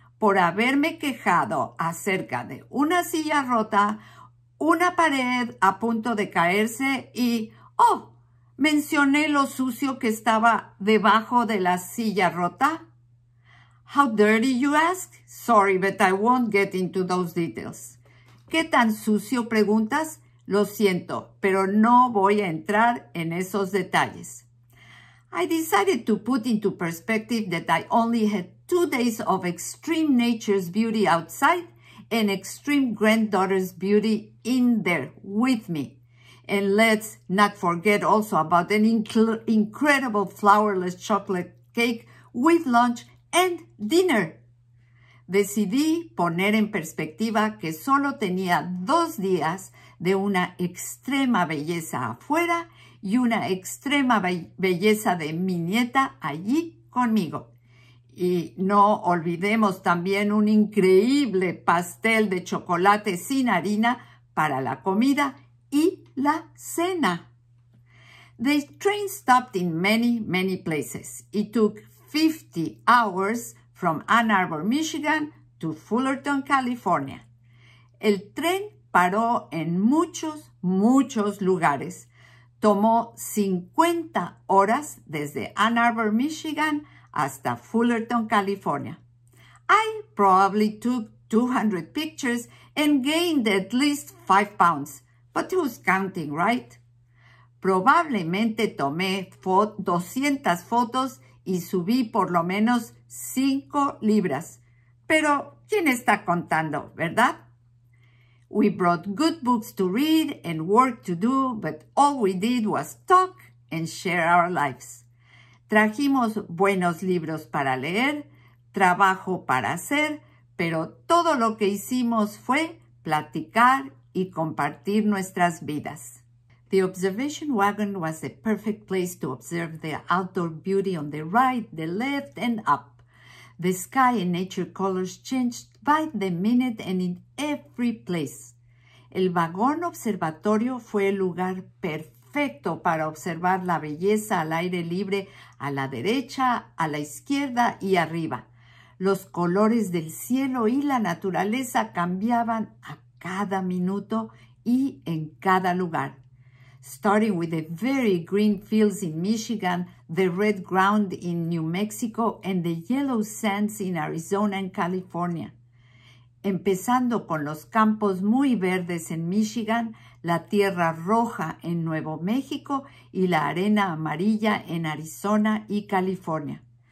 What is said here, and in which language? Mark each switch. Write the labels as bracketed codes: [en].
[es] Por haberme quejado acerca de una silla rota, una pared a punto de caerse y, ¡oh! Mencioné lo sucio que estaba debajo de la silla rota. [en] How dirty, you ask? Sorry, but I won't get into those details. [es] ¿Qué tan sucio, preguntas? Lo siento, pero no voy a entrar en esos detalles. [en] I decided to put into perspective that I only had 2 days of extreme nature's beauty outside and extreme granddaughter's beauty in there with me. And let's not forget also about an incredible flourless chocolate cake with lunch and dinner. [es] Decidí poner en perspectiva que solo tenía 2 días de una extrema belleza afuera y una extrema belleza de mi nieta allí conmigo. Y no olvidemos también un increíble pastel de chocolate sin harina para la comida y la cena. [en] The train stopped in many, many places. It took 50 hours from Ann Arbor, Michigan to Fullerton, California. [es] El tren paró en muchos, muchos lugares. Tomó 50 horas desde Ann Arbor, Michigan hasta Fullerton, California. [en] I probably took 200 pictures and gained at least 5 pounds. But who's counting, right? [es] Probablemente tomé 200 fotos y subí por lo menos 5 libras. Pero, ¿quién está contando, verdad? [en] We brought good books to read and work to do, but all we did was talk and share our lives. [es] Trajimos buenos libros para leer, trabajo para hacer, pero todo lo que hicimos fue platicar y compartir nuestras vidas. [en] The observation wagon was a perfect place to observe the outdoor beauty on the right, the left, and up. The sky and nature colors changed by the minute and in every place. [es] El vagón observatorio fue el lugar perfecto para observar la belleza al aire libre a la derecha, a la izquierda y arriba. Los colores del cielo y la naturaleza cambiaban a cada minuto y en cada lugar. [en] Starting with the very green fields in Michigan, the red ground in New Mexico, and the yellow sands in Arizona and California. [es] Empezando con los campos muy verdes en Michigan, la tierra roja en Nuevo México y la arena amarilla en Arizona y California.